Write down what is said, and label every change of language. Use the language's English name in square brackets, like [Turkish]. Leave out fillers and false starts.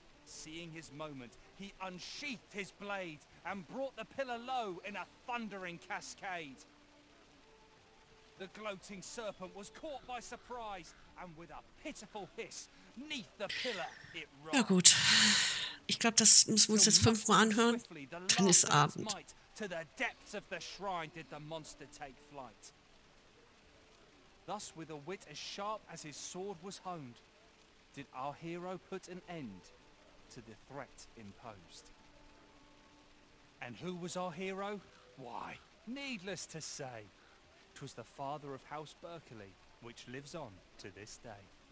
[English] Seeing his moment, he unsheathed his blade and brought the pillar low in a thundering cascade. The gloating serpent was caught by surprise and with a pitiful hiss, neath the pillar it rose. [German] Ja gut, ich glaube, das müssen wir uns jetzt fünfmal anhören. Dann ist Abend. [English] To the depths of the shrine did the monster take flight. Thus, with a wit as sharp as his sword was honed, did our hero put an end to the threat imposed. And who was our hero? Why, needless to say, 'twas the father of House Berkeley, which lives on to this day.